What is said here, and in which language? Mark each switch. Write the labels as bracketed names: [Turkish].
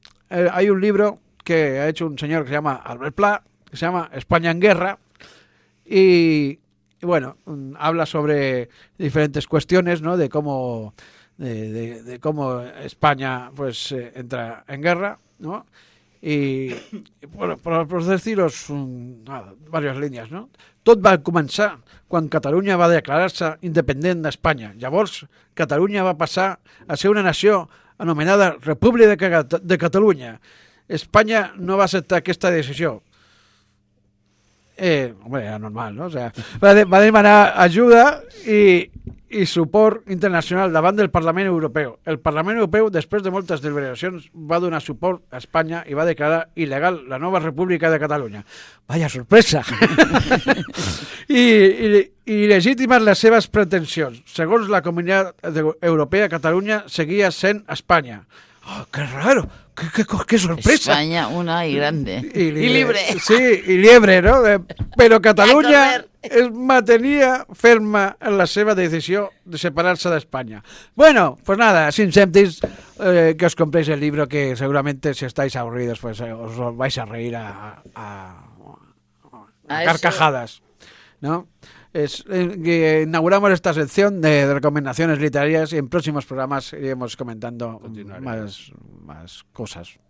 [Spanish] Hay un libro que ha hecho un señor que se llama Albert Pla, que se llama España en Guerra, y bueno, habla sobre diferentes cuestiones, ¿no? De cómo de cómo España pues entra en guerra, ¿no? Y bueno, por deciros varias líneas, ¿no? [Catalan] Tot va començar quan Catalunya va declarar-se independent d'Espanya. Llavors, Catalunya va passar a ser una nació anomenada República de Catalunya. Espanya no va acceptar aquesta decisió. [Spanish] Hombre, era normal, ¿no? O sea, [Catalan] va demanar ajuda i suport internacional davant del Parlament Europeu. El Parlament Europeu, després de moltes deliberacions, va donar suport a Espanya i va declarar il·legal la nova República de Catalunya. [Spanish] Vaya sorpresa! [Catalan] I legítimes les seves pretensions. Segons la Comunitat Europea, Catalunya seguia sent Espanya. [Spanish] ¡Oh, qué raro! ¡Qué sorpresa! España, una y grande. Y libre. Sí, y liebre, ¿no? Pero Cataluña mantenía [Catalan] ferma en la seva decisió de separar-se d'Espanya. [Spanish] Bueno, pues nada, sin sentis, que os compréis el libro, que seguramente si estáis aburridos pues os vais a reír a carcajadas, ¿no? Inauguramos esta sección de recomendaciones literarias, y en próximos programas iremos comentando más cosas.